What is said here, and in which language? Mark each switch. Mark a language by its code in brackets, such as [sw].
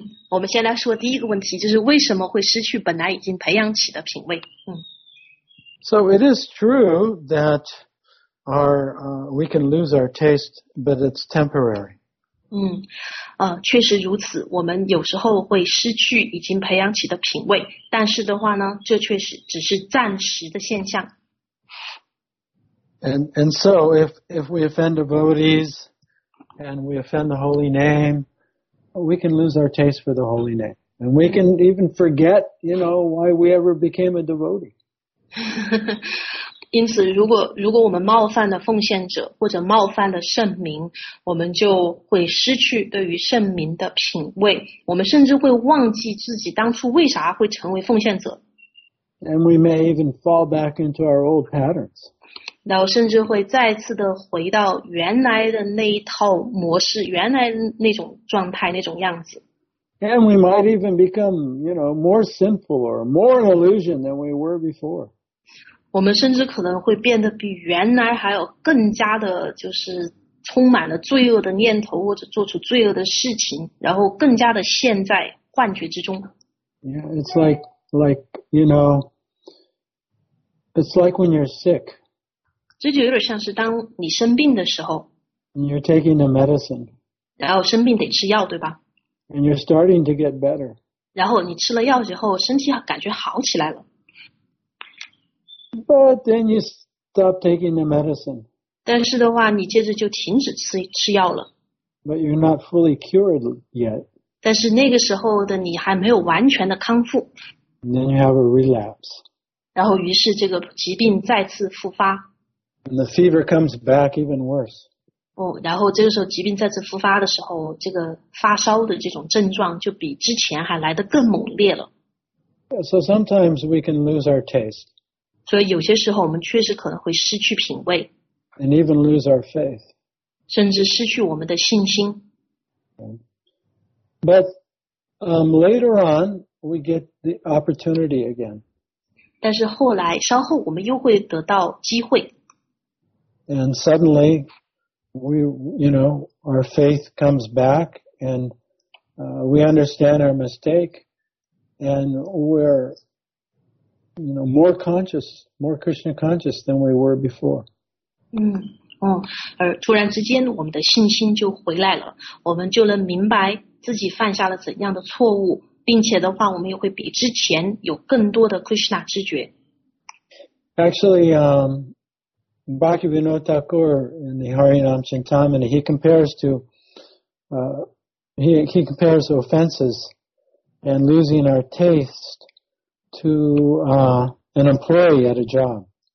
[zh] 我们先来说第一个问题就是为什么会失去本来已经培养起的品位。 [en] So it is true that we can lose our taste, but it's temporary. [zh] 确实如此。我们有时候会失去已经培养起的品位。但是的话呢这确实只是暂时的现象。 [en] And so if we offend devotees and we offend the holy name, we can lose our taste for the holy name. And we can even forget, why we ever became a devotee. [zh] 因此如果我们冒犯了奉献者或者冒犯了圣名，我们就会失去对于圣名的品味，我们甚至会忘记自己当初为啥会成为奉献者。 [en] And we may even fall back into our old patterns. [zh] 然后甚至会再次的回到原来的那一套模式，原来那种状态，那种样子。 [en] And we might even become, you know, more sinful or more an illusion than we were before. [zh] 我们甚至可能会变得比原来还有更加的，就是充满了罪恶的念头，或者做出罪恶的事情，然后更加的陷在幻觉之中。 [en] Yeah, it's like, you know, it's like when you're sick. [zh] 这就有点像是当你生病的时候。 [en] And you're taking a medicine. [zh] 然后生病得吃药，对吧？ [en] And you're starting to get better. [zh] 然后你吃了药之后，身体感觉好起来了。 [en] But then you stop taking the medicine. [zh] 但是的话，你接着就停止吃药了。 [en] But you're not fully cured yet. [zh] 但是那个时候的你还没有完全的康复。 [en] And then you have a relapse. [zh] 然后于是这个疾病再次复发。 [en] And the fever comes back even worse. [zh] 哦，然后这个时候疾病再次复发的时候，这个发烧的这种症状就比之前还来得更猛烈了。 [en] So sometimes we can lose our taste. [zh] 所以有些时候我们确实可能会失去品味。 [en] And even lose our faith. [zh] 甚至失去我们的信心。 [en] But, later on, we get the opportunity again. [zh] 但是后来，稍后我们又会得到机会。 [en] And suddenly,We, you know, our faith comes back and, we understand our mistake and we're, you know, more conscious, more Krishna conscious than we were before. [zh] 突然之间我们的信心就回来了，我们就能明白自己犯下了怎样的错误，并且的话我们也会比之前有更多的 Krishna 知觉。 [en] Actually, Bhaktivinoda Thakur in the Harinam Chintamani, he compares offenses and losing our taste to, an employee at a job.